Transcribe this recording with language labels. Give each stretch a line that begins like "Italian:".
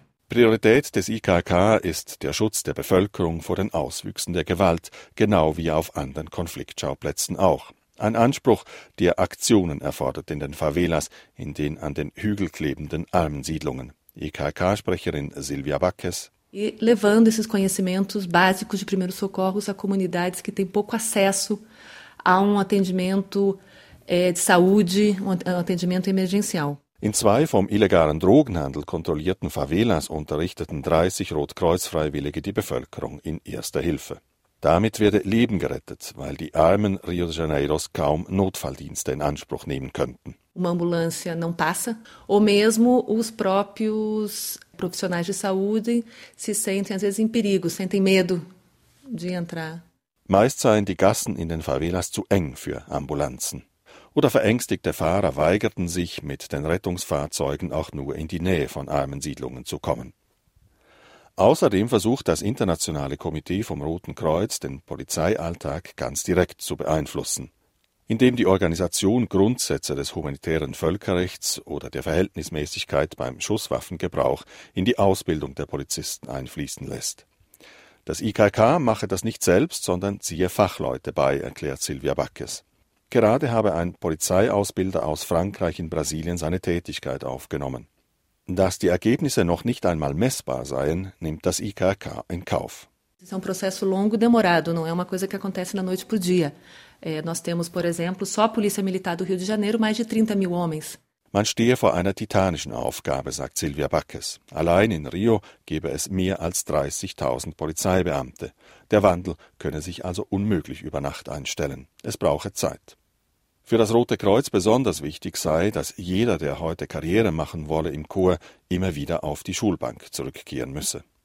German: Priorität des IKK ist der Schutz der Bevölkerung vor den Auswüchsen der Gewalt, genau wie auf anderen Konfliktschauplätzen auch. Ein Anspruch, der Aktionen erfordert in den Favelas, in den an den Hügel klebenden Armensiedlungen. IKK-Sprecherin Silvia Backes.
Portuguese: E levando esses conhecimentos básicos de primeiros socorros a comunidades que têm pouco acesso a atendimento de saúde, atendimento emergencial.
German: In zwei vom illegalen Drogenhandel kontrollierten Favelas unterrichteten 30 Rotkreuz-Freiwillige die Bevölkerung in erster Hilfe. Damit werde Leben gerettet, weil die armen Rio de Janeiros kaum Notfalldienste in Anspruch nehmen könnten.
Portuguese: Uma ambulância não passa, ou mesmo os próprios profissionais de saúde se sentem às vezes em perigo, sentem medo de entrar.
German: Meist seien die Gassen in den Favelas zu eng für Ambulanzen. Oder verängstigte Fahrer weigerten sich, mit den Rettungsfahrzeugen auch nur in die Nähe von armen Siedlungen zu kommen. Außerdem versucht das Internationale Komitee vom Roten Kreuz, den Polizeialltag ganz direkt zu beeinflussen, indem die Organisation Grundsätze des humanitären Völkerrechts oder der Verhältnismäßigkeit beim Schusswaffengebrauch in die Ausbildung der Polizisten einfließen lässt. Das IKK mache das nicht selbst, sondern ziehe Fachleute bei, erklärt Silvia Backes. Gerade habe ein Polizeiausbilder aus Frankreich in Brasilien seine Tätigkeit aufgenommen. Dass die Ergebnisse noch nicht einmal messbar seien, nimmt das IKK in Kauf. Es ist ein Prozess lang und
Portuguese: demorado, não é uma coisa que acontece na noite pro dia. Nós temos, por exemplo, só a Polícia Militar do Rio de Janeiro mais de 30.000 homens.
German: Man stehe vor einer titanischen Aufgabe, sagt Silvia Backes. Allein in Rio gäbe es mehr als 30.000 Polizeibeamte. Der Wandel könne sich also unmöglich über Nacht einstellen. Es brauche Zeit. Für das Rote Kreuz besonders wichtig sei, dass jeder, der heute Karriere machen wolle im Korps, immer wieder auf die Schulbank zurückkehren müsse.